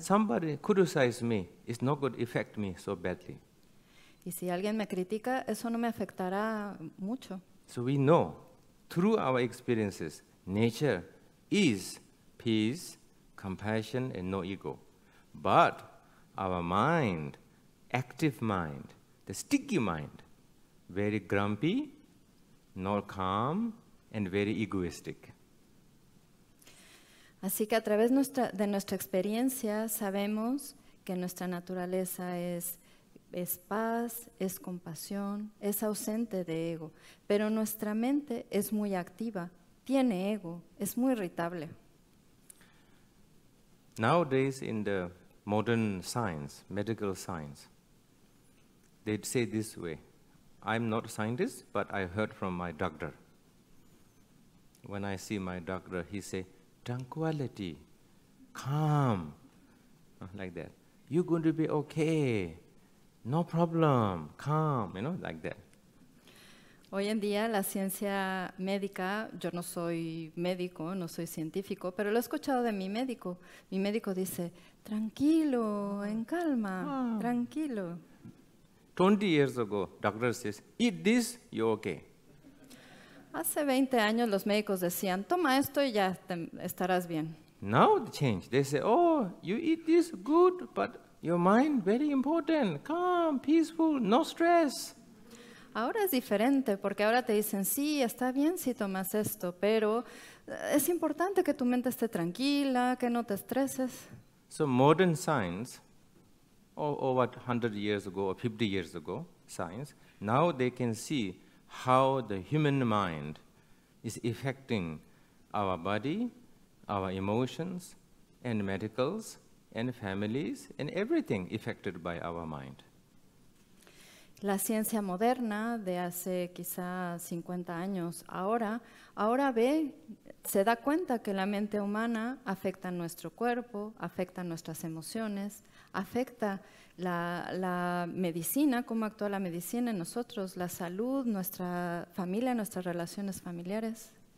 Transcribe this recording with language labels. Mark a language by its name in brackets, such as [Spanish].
[English] Somebody criticizes me, it's not going to affect me so badly. [Spanish] Y si alguien me critica, eso no me afectará mucho. [English] So we know, through our experiences, nature is peace, compassion, and no ego. But our mind, active mind, the sticky mind, very grumpy, not calm, and very egoistic. [Spanish] Así que a través de nuestra experiencia sabemos que nuestra naturaleza es paz, es compasión, es ausente de ego. Pero nuestra mente es muy activa, tiene ego, es muy irritable. [English] Nowadays in the modern science, medical science, they say this way. I'm not a scientist, but I heard from my doctor. When I see my doctor, he say, tranquility, calm, like that. You're going to be okay, no problem, calm, you know, like that. [Spanish] Hoy en día la ciencia médica, yo no soy médico, no soy científico, pero lo he escuchado de mi médico. Mi médico dice, tranquilo, en calma, tranquilo. [English] 20 years ago, doctor says, eat this, you're okay. [Spanish] Hace 20 años los médicos decían, toma esto y ya estarás bien. [English] Now they change. They say, oh, you eat this, good, but your mind very important. Calm, peaceful, no stress. [Spanish] Ahora es diferente porque ahora te dicen, sí, está bien si tomas esto, pero es importante que tu mente esté tranquila, que no te estreses. [English] So modern science, over 100 years ago or 50 years ago, science, now they can see how the human mind is affecting our body, our emotions, and medicals, and families, and everything affected by our mind. [Spanish] La ciencia moderna de hace quizá 50 años ahora ve, se da cuenta que la mente humana afecta nuestro cuerpo, afecta nuestras emociones, afecta la medicina, cómo actúa la medicina en nosotros, la salud, nuestra familia, nuestras relaciones familiares.